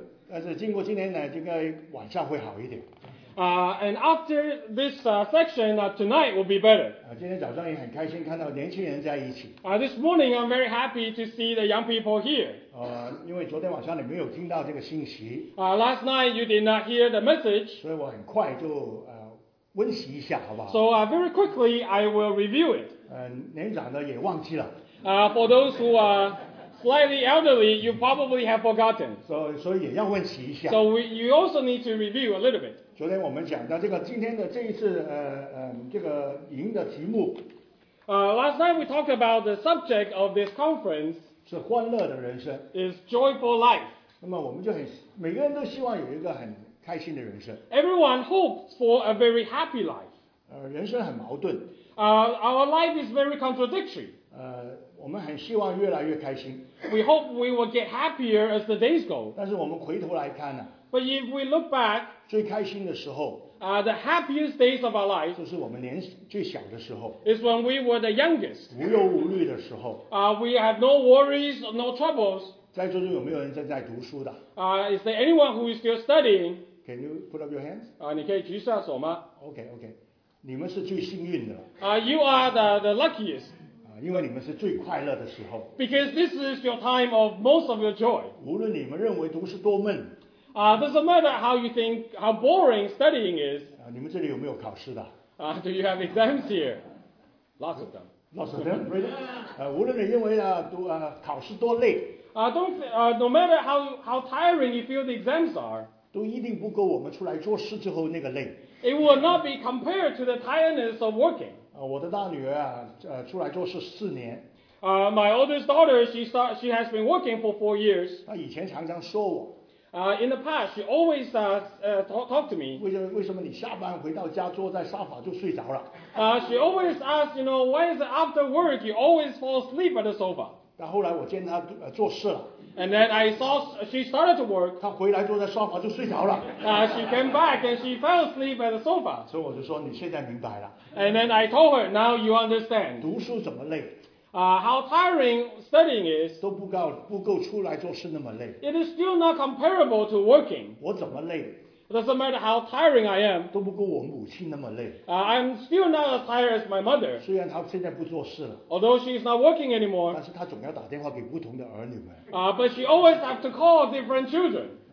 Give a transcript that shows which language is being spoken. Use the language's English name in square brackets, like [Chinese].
[Chinese] 但是经过今天呢，应该晚上会好一点。 [English] And after this section, tonight will be better. [Chinese] 今天早上也很开心看到年轻人在一起。 [English] This morning I'm very happy to see the young people here. [Chinese] 因为昨天晚上你没有听到这个信息。 [English] Last night you did not hear the message. [Chinese] 所以我很快就温习一下，好不好 [English] ？So very quickly I will review it. [Chinese] 年长的也忘记了。 [English] For those who are slightly elderly, you probably have forgotten. So [Chinese] 也要温习一下。 [English] So you also need to review a little bit. [Chinese] 昨天我们讲的这个今天的这一次这个营的题目。 [English] Last night we talked about the subject of this conference. [Chinese] 是欢乐的人生。 [English] Is joyful life. [Chinese] 那么我们就很每个人都希望有一个很开心的人生。 [English] Everyone hopes for a very happy life. [Chinese] 人生很矛盾。 [English] Our life is very contradictory. [Chinese] 我们很希望越来越开心。 [English] We hope we will get happier as the days go. [Chinese] 但是我们回头来看呢。 [English] But if we look back, [Chinese] 最开心的时候。 [English] The happiest days of our life. [Chinese] 就是我们年最小的时候。 [English] Is when we were the youngest. [Chinese] 无忧无虑的时候。 [English] We have no worries, no troubles. [Chinese] 在座有没有人正在读书的？ [English] Is there anyone who is still studying? Can you put up your hands? [Chinese] 你可以举下手吗？ [English] Okay. [Chinese] 你们是最幸运的。 [English] You are the luckiest. [Chinese] 因为你们是最快乐的时候。 [English] Because this is your time of most of your joy. [Chinese] 无论你们认为读书多闷。 [English] Doesn't matter how you think how boring studying is. [Chinese] 你们这里有没有考试的？ [English] Do you have exams here? Lots of them. Lots of them, really? [Chinese] 无论你认为考试多累。 [English] No matter how tiring you feel the exams are. [Chinese] 都一定不够我们出来做事之后那个累。 [English] It will not be compared to the tiredness of working. [Chinese] 我的大女儿出来做事四年。 [English] My oldest daughter, she has been working for 4 years. [Chinese] 她以前常常说我。 [English] In the past, she always talk to me. [Chinese] 为什么你下班回到家坐在沙发就睡着了？ [English] She always asks, you know, why is it after work you always fall asleep at the sofa? [Chinese] 但后来我见她做事了。 [English] And then I saw she started to work. [Chinese] 她回来坐在沙发就睡着了。 [English] She came back and she fell asleep at the sofa. [Chinese] 所以我就说你现在明白了。 [English] And then I told her, now you understand. [Chinese] 读书怎么累？ [English] How tiring studying is. [Chinese] 都不够出来做事那么累。 [English] It is still not comparable to working. [Chinese] 我怎么累？ [English] It doesn't matter how tiring I am. [Chinese] 都不够我母亲那么累。 [English] I'm still not as tired as my mother. [Chinese] 虽然她现在不做事了。 [English] Although she is not working anymore. [Chinese] 但是她总要打电话给不同的儿女们。 [English] But she always have to call different children.